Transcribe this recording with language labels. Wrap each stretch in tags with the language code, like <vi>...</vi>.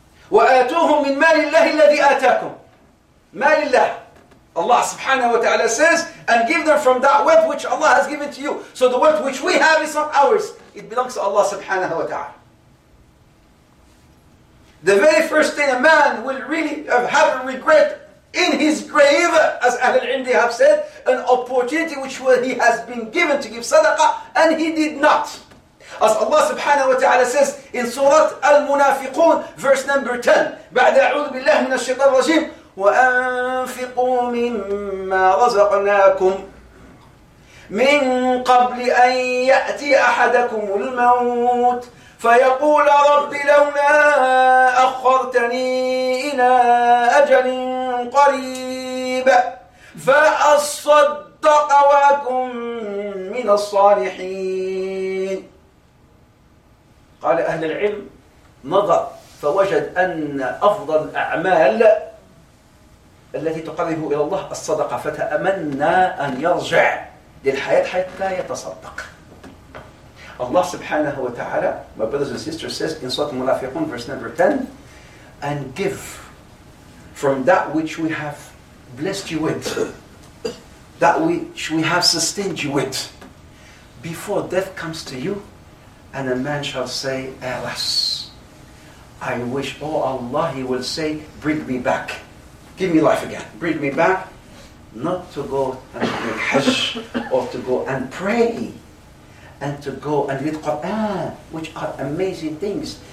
<ar>وآتوهم من مال الله الذي آتاكم. مال الله.</ar> <en>Allah subhanahu wa ta'ala says, and give them from that wealth which Allah has given to you. So the wealth which we have is not ours. It belongs to Allah subhanahu wa ta'ala. The very first thing a man will really have a regret in his grave, as Ahlul Indi have said, an opportunity which he has been given to give sadaqah, and he did not. As Allah subhanahu wa ta'ala says in Surah Al-Munafiqun, verse number 10,</en> <ar>بعد أعوذ بالله من الشيطان الرجيم, وأنفقوا مما رزقناكم من قبل أن يأتي أحدكم الموت فيقول رب لولا أخرتني إلى أجل قريب فأصدق وأكن من الصالحين. قال أهل العلم, نظر فوجد أن أفضل الأعمال التي تقرب إلى الله الصدقة, فتأمنا أن يرجع للحياة حتى يتصدق.</ar> <en>Allah subhanahu wa ta'ala, my brothers and sisters, says in Surah Al-Munafiqun, verse number 10, and give from that which we have blessed you with, that which we have sustained you with, before death comes to you, and a man shall say, alas, I wish, oh Allah, he will say, bring me back, give me life again, bring me back, not to go and make hajj, or to go and pray, and to go and read Qur'an, which are amazing things.</en>